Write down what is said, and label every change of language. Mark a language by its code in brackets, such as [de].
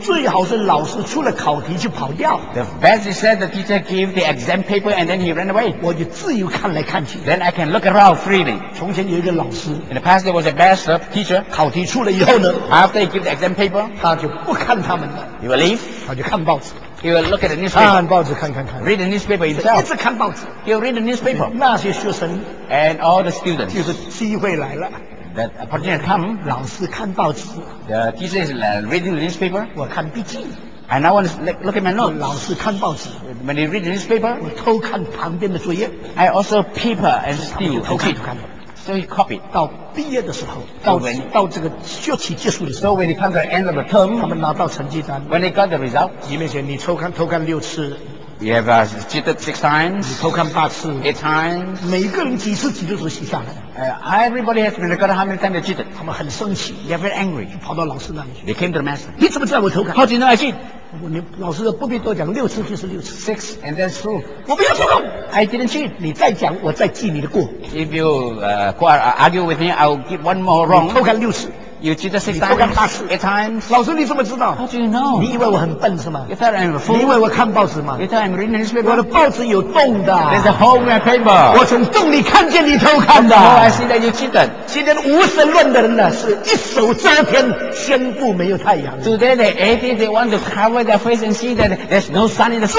[zh] 最好是老师出了考题就跑掉。 [en] The best is that the teacher gave the exam paper and then he ran away. [zh] 我就自由看来看去。 [en] Then I can look around freely. [zh] 从前有一个老师 [en] ，In the past there was a master teacher. [zh] 考题出了以后呢 [en] ，After he gave the exam paper, [zh] 他就不看他们了。 [en] He will leave. [zh] 他就看报纸。 [en] He will look at the newspaper. [zh] 看报纸，看看看。 [en] Read the newspaper himself. [zh] 一直看报纸。 [en] He will read the newspaper. [zh] 那些学生 [en] and all the students. [zh] 就是机会来了。 [en] The opportunity come. [zh] 老师看报纸。 [en] The teacher is reading the newspaper. [zh] 我看笔记。 [en] And I want to look at my notes. [zh] 老师看报纸。 [en] When he read the newspaper. [zh] 我偷看旁边的作业。 [en] I also paper and steal. Okay. So he copied. [zh] 到毕业的时候，到这个学期结束的时候 [en] ，So when he comes to the end of the term, [zh] 他们拿到成绩单。 [en] When he got the result, [zh] 里面写你偷看六次。 [en] You have cheated six times. [zh] 你偷看八次。 [en] Eight times. [zh] 每个人几次几次都写下来。 [en] Everybody has been recorded how many times they cheated. [zh] 他们很生气。 [en] They are very angry. [zh] 就跑到老师那里去。 [en] They came to the master. [zh] 你怎么知道我偷看 [en] ？How do you know I cheat? [zh] 你老师不必多讲，六次就是六次。 [en] Six and that's true. [zh] 我不要偷看。 [en] I didn't cheat. [zh] 你再讲，我再记你的过。 [en] If you argue with me, I'll give one more wrong. [zh] 你偷看六次。 [en] You cheated six times. [zh] 偷看八次。 [en] Eight times. [zh] 老师你怎么知道 [en] ？How do you know? [zh] 你以为我很笨是吗 [en] ？You thought I'm a fool. [zh] 你以为我看报纸吗 [en] ？You thought I'm reading the newspaper. [zh] 我的报纸有洞的。 [en] There's a hole in my paper. [zh] 我从洞里看见你偷看的。 [en] Oh, I see that you cheated. [zh] 今天无神论的人呢，是一手遮天，宣布没有太阳。 [en] Today the atheists they want to cover their face and see that there's no sun in the sky.